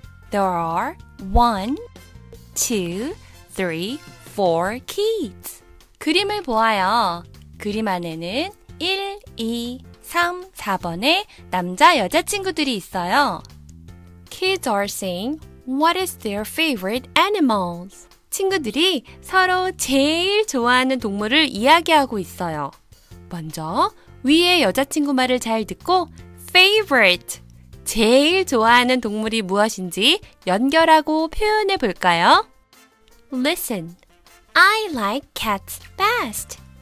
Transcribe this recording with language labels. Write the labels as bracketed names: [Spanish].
[English] There are 1, 2, 3, 4 kids. [Korean] 그림을 보아요. 그림 안에는 1, 2, 3, 4번의 남자 여자 친구들이 있어요. [English] Kids are saying, "What is their favorite animals?" [Korean] 친구들이 서로 제일 좋아하는 동물을 이야기하고 있어요. 먼저 위에 여자친구 말을 잘 듣고 favorite, 제일 좋아하는 동물이 무엇인지 연결하고 표현해 볼까요? [English] Listen, I like cats best.